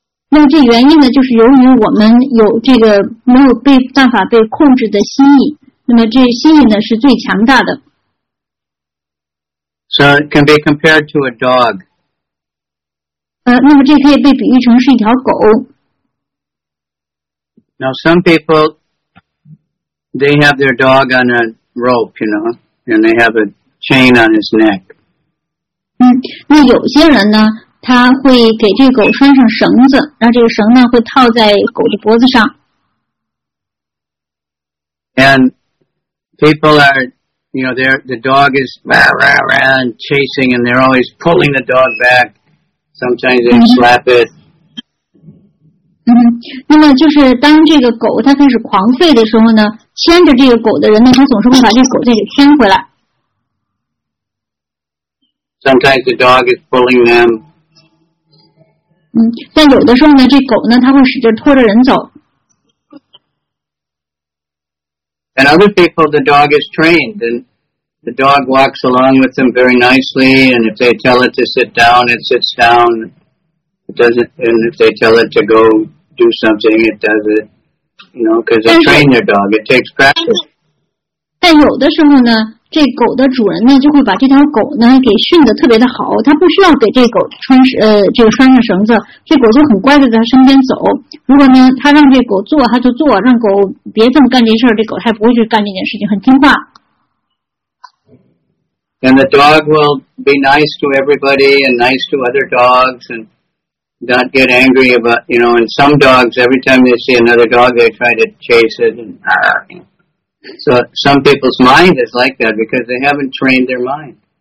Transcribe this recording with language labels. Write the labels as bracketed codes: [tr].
[zh] 那这原因呢，就是由于我们有这个没有被办法被控制的心意，那么这心意呢是最强大的。 [en] So it can be compared to a dog. [zh] 那么这可以被比喻成是一条狗。 [en] Now some people, they have their dog on a rope, you know, and they have a chain on his neck. [zh] 那有些人呢，他会给这个狗拴上绳子，然后这个绳呢会套在狗的脖子上。 [en] And people are, you know, the dog is rah, rah, rah, and chasing, and they're always pulling the dog back. Sometimes they slap it. [zh] 那么就是当这个狗它开始狂吠的时候呢，牵着这个狗的人呢，他总是会把这个狗再给牵回来。 [en] Sometimes the dog is pulling them. [zh] 但有的时候呢，这狗呢，它会使劲拖着人走。 [en] And other people, the dog is trained, and the dog walks along with them very nicely. And if they tell it to sit down, it sits down. It doesn't. And if they tell it to go do something, it does it. You know, because they train their dog. It takes practice. [zh] 但有的时候呢。这狗的主人呢，就会把这条狗呢给训得特别的好，他不需要给这狗穿这个拴上绳子，这狗就很乖的在他身边走。如果呢，他让这狗坐，他就坐；让狗别这么干这事儿，这狗还不会去干这件事情，很听话。 [en] And the dog will be nice to everybody and nice to other dogs, and not get angry about, you know, and some dogs, every time they see another dog, they try to chase it. And so some people's mind is like that because they haven't trained their mind.